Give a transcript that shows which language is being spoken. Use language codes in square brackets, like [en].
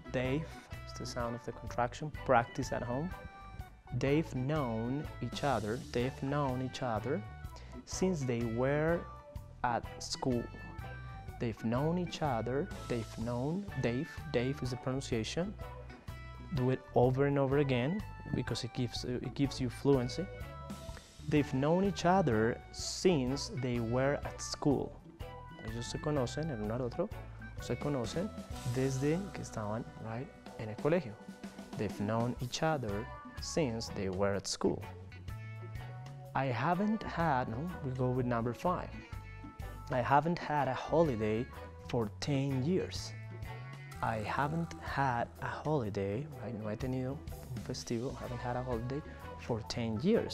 [en] They've, it's the sound of the contraction, practice at home. They've known each other, they've known each other since they were at school. They've known each other, they've known, Dave is the pronunciation. Do it over and over again because it gives you fluency. They've known each other since they were at school. [es] Ellos se conocen el uno al otro, se conocen desde que estaban, right, en el colegio. [en] They've known each other since they were at school. I haven't had, no, we go with number five. I haven't had a holiday for 10 years. I haven't had a holiday, right? [es] No he tenido un festivo, [en] haven't had a holiday for 10 years.